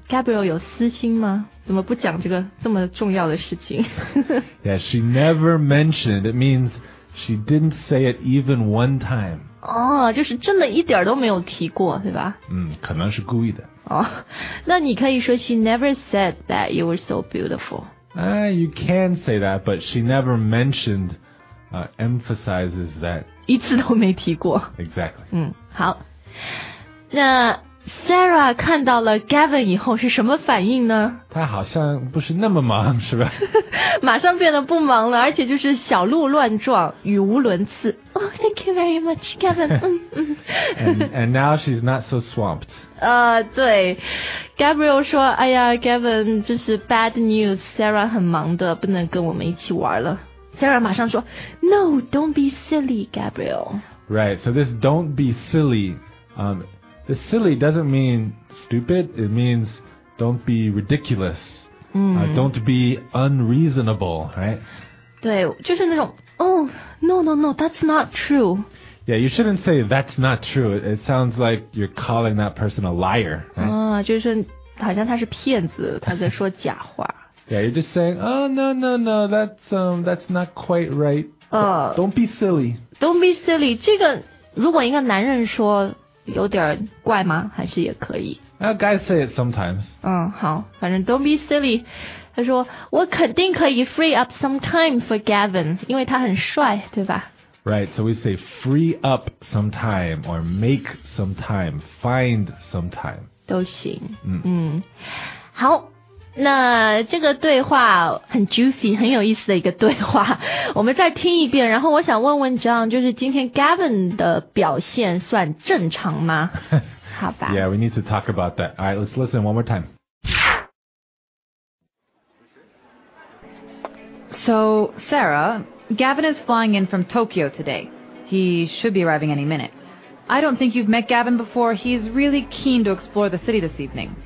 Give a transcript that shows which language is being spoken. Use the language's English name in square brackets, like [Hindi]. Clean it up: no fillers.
[Chinese] Gabriel 有私心吗怎么不讲这个这么重要的事情 [English] yeah she never mentioned it means she didn't say it even one time [Chinese] 就是真的一点都没有提过对吧可能是故意的那你可以说 [English] she never said that you were so beautiful you can say that but she never mentioned emphasizes that [Chinese] 一次都没提过 [English] exactly [Chinese] 好那 Sarah 看到了 Gavin 以后是什么反应呢？他好像不是那么忙，是吧？马上变得不忙了，而且就是小鹿乱撞，语无伦次。 [English] Oh, thank you very much, Gavin. and now she's not so swamped. [Chinese] 对 ，Gabriel 说：“哎呀 ，Gavin， 这是 [English] bad news. [Chinese] Sarah 很忙的，不能跟我们一起玩了。” [English] Sarah [Chinese] 马上说 [English] ：“No, don't be silly, Gabriel. Right. So this don't be silly.” The silly doesn't mean stupid, it means don't be ridiculous,don't be unreasonable, right? [Chinese] 对，就是那种 [English] oh, no, no, no, that's not true. Yeah, you shouldn't say that's not true, it sounds like you're calling that person a liar. Right? [Chinese] 就是好像他是骗子，他在说假话。 [English] Yeah, you're just saying, oh, no, no, no, that's not quite right. Don't be silly. Don't be silly, [Chinese] 这个如果一个男人说有点怪吗？还是也可以 [English] Guys say it sometimes. [Chinese] 好，反正 [English] don't be silly. [Chinese] 他说我肯定可以 [English] free up some time for Gavin, [Chinese] 因为他很帅，对吧？ [English] Right, so we say free up some time, or make some time, find some time. [Chinese] 都行。好，那这个对话很 juicy, 很有意思的一个对话，我们再听一遍。然后我想问问 John, 就是今天 Gavin 的表现算正常吗？好吧。 [English] Yeah, we need to talk about that. All right, let's listen one more time. So, Sarah, Gavin is flying in from Tokyo today. He should be arriving any minute. I don't think you've met Gavin before. He's really keen to explore the city this evening.